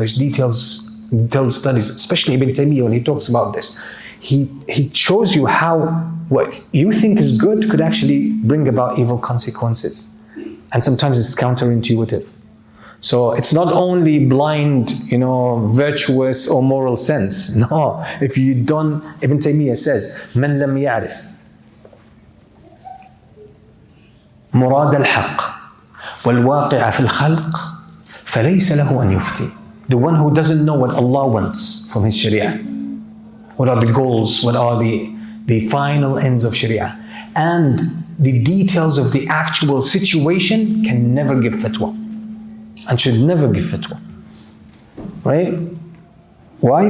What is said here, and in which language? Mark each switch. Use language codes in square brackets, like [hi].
[en] There's detailed studies, especially Ibn Taymiyyah, when he talks about this. He shows you how what you think is good could actually bring about evil consequences. And sometimes it's counterintuitive. So it's not only blind, virtuous or moral sense. No, if you don't, Ibn Taymiyyah says, [ar] من لم يعرف مراد الحق والواقع في الخلق فليس له أن يفتي. [en] The one who doesn't know what Allah wants from his Sharia, what are the goals, what are the final ends of Sharia, and the details of the actual situation, can never give fatwa and should never give fatwa. Right? Why?